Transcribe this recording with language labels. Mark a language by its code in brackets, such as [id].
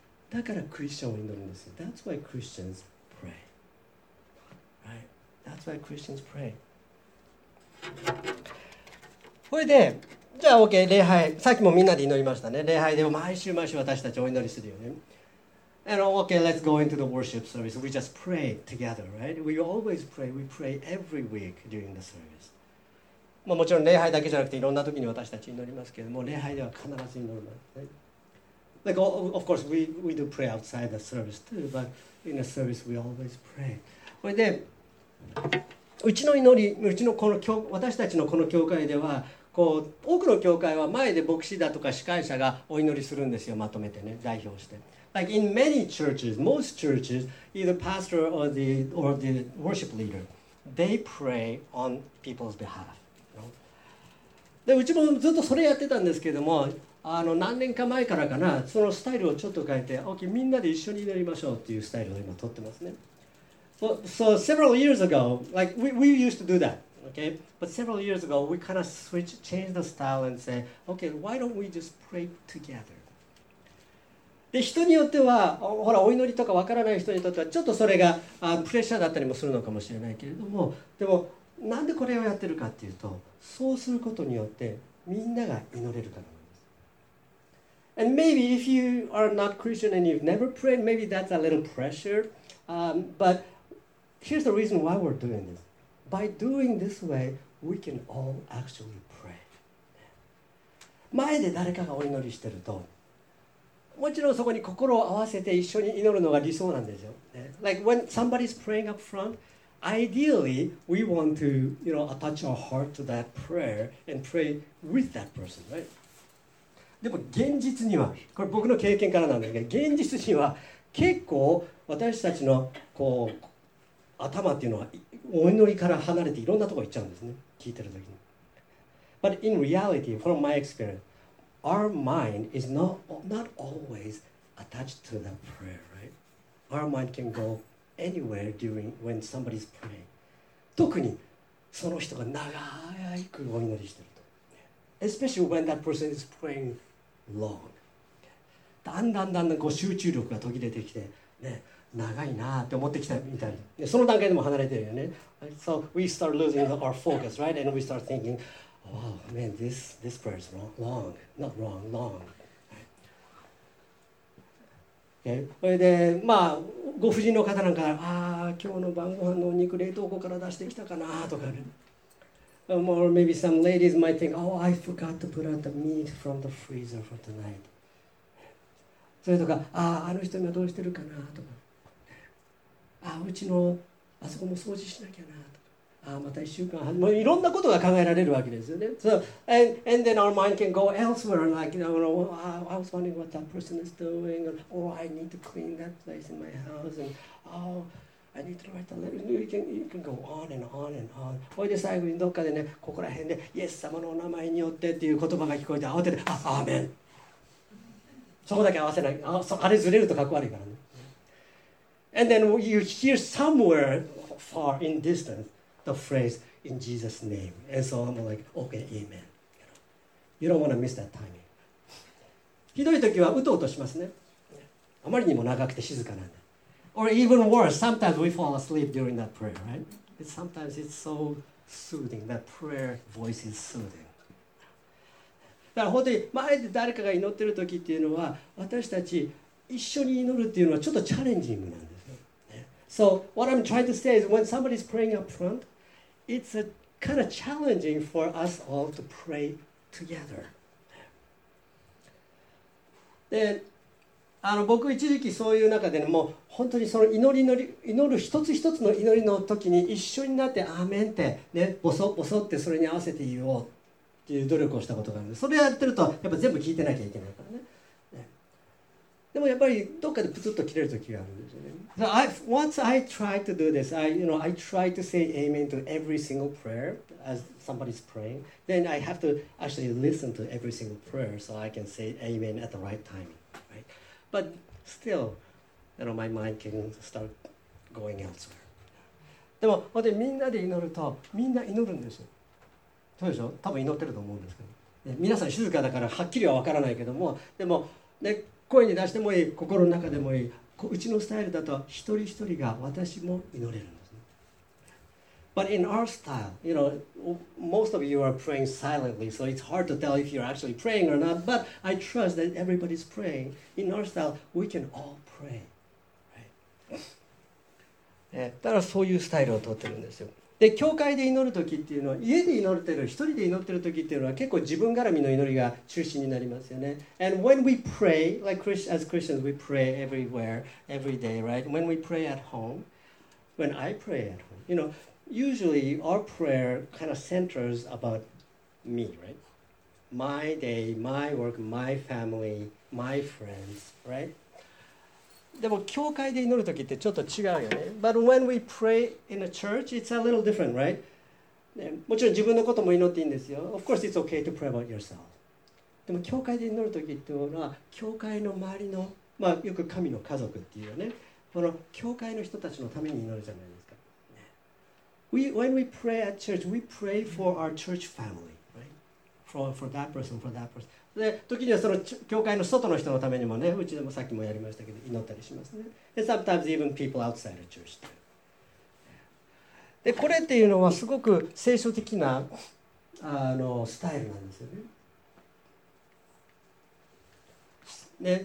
[ja] だからクリスチャンを祈るんですよ。 [en] That's why Christians pray. Right? That's why Christians pray. [ja] それで、じゃあ OK、礼拝。さっきもみんなで祈りましたね。礼拝でも毎週毎週私たちお祈りするよね。 [en] And okay, let's go into the worship service. We just pray together, right? We always pray. We pray every week during the service. [ja] まあもちろん礼拝だけじゃなくていろんな時に私たち祈りますけれども、礼拝では必ず祈ります、ね。 [en] Like of course we do pray outside the service too, but in the service we always pray. [ja] それでうちの祈り、うちのこの教私たちのこの教会では、こう多くの教会は前で牧師だとか司会者がお祈りするんですよ。まとめてね、代表して。 [en] Like in many churches, most churches, either pastor or the worship leader, they pray on people's behalf. [ja] で、うちもずっとそれやってたんですけども、何年か前からかな、そのスタイルをちょっと変えて、OK、みんなで一緒に祈りましょうっていうスタイルを今取ってますね。 [en] So several years ago, like we used to do that, okay? But several years ago, we kind of changed the style and say, OK, why don't we just pray together? [ja] で人によってはほらお祈りとかわからない人にとってはちょっとそれがプレッシャーだったりもするのかもしれないけれども、でもなんでこれをやってるかっていうと、そうすることによってみんなが祈れるからなんです。 [en] And maybe if you are not Christian and you've never prayed, maybe that's a little pressure, but here's the reason why we're doing this. By doing this way, we can all actually pray. [ja] 前で誰かがお祈りしてると、もちろんそこに心を合わせて一緒に祈るのが理想なんですよ。 [en] Like when somebody's praying up front, ideally we want to, you know, attach our heart to that prayer and pray with that person, right? [ja] でも現実には、これ僕の経験からなんだけど、現実には結構私たちのこう頭っていうのはお祈りから離れていろんなところ行っちゃうんですね、聞いてるときに。 [en] But in reality, from my experience,Our mind is not always attached to the prayer, right? Our mind can go anywhere during when somebody's praying. [ja] 特にその人が長くお祈りしてると。 [en] Especially when that person is praying long. [ja] だんだんだんだんこう集中力が途切れてきて、ね、長いなって思ってきたみたいな。その段階でも離れてるよね。 [en] So we start losing our focus, right? And we start thinking,Wow, man, this prayer is wrong, long, not wrong, long. [ja] Okay, それで、まあ、ご婦人の方なんか、ああ、今日の晩ご飯のお肉冷凍庫から出してきたかなとかね。 [en] Or maybe some ladies might think, oh, I forgot to put out the meat from the freezer for tonight. [ja] それとか、ああ、あの人がどうしてるかなとか。ああ、うちのあそこも掃除しなきゃな。ああまた1週間半、もういろんなことが考えられるわけですよね。 [en] So, and then our mind can go elsewhere, like, you know, well, I was wondering what that person is doing, or oh, I need to clean that place in my house, and oh, I need to write a letter. You can go on and on and on. [ja] それで最後にどっかでね、ここら辺で、イエス様のお名前によってっていう言葉が聞こえて、慌てて、あ、アーメン。そこだけ合わせない。あれずれるとかっこ悪いからね。 [en] And then you hear somewhere far in distance,The phrase in Jesus' name, and so I'm like, okay, amen. You don't want to miss that timing. [ja] ひどい時はうとうとしますね。あまりにも長くて静かなんで。 [en] Or even worse, sometimes we fall asleep during that prayer, right? But sometimes it's so soothing. That prayer voice is soothing. [ja] だから本当に前で誰かが祈ってる時っていうのは、私たち一緒に祈るっていうのはちょっとチャレンジングなんで。 [en] So what I'm trying to say is when somebody's praying up front, it's a kind of challenging for us all to pray together. [ja] で、僕一時期そういう中で、ね、もう本当にその祈る一つ一つの祈りの時に一緒になってアーメンってね、ボソボソってそれに合わせて言おうていう努力をしたことがあるので、それやってるとやっぱ全部聞いてなきゃいけないからね。でもやっぱりどっかでプツッと切れる時があるんですよね。 [en] So once I try to do this, I try to say amen to every single prayer as somebody's praying. Then I have to actually listen to every single prayer so I can say amen at the right timing, right? But still, you know, my mind can start going elsewhere. [ja] でも本当にみんなで祈るとみんな祈るんですよ。そうでしょ？多分祈ってると思うんですけど、ね、皆さん静かだからはっきりは分からないけども、でもね、声に出してもいい、心の中でもいい、うちのスタイルだと一人一人が私も祈れるんですね。 [en] But in our style, you know, most of you are praying silently, so it's hard to tell if you're actually praying or not, but I trust that everybody's praying. In our style, we can all pray. Right? [ja] だからそういうスタイルをとってるんですよ。で、教会で祈るときっていうのは、家で祈ってる、一人で祈ってるときっていうのは、結構自分絡みの祈りが中心になりますよね。 [en] And when we pray, like as Christians, we pray everywhere, every day, right? When we pray at home, when I pray at home, you know, usually our prayer kind of centers about me, right? My day, my work, my family, my friends, right? [ja] でも教会で祈る時ってちょっと違うよね。 [en] But when we pray in a church, it's a little different, right? [ja] もちろん自分のことも祈っていいんですよ。 [en] Of course, it's okay to pray about yourself. [ja] でも教会で祈る時っていうのは、教会の周りの、まあよく神の家族っていうね、この教会の人たちのために祈るじゃないですか。 [en] When we pray at church, we pray for our church family, right? For that person, for that person. [ja] で、時にはその教会の外の人のためにもね、うちでもさっきもやりましたけど祈ったりしますね。で、 [en] sometimes even people outside the church too. [ja] で、これっていうのはすごく聖書的なスタイルなんですよね。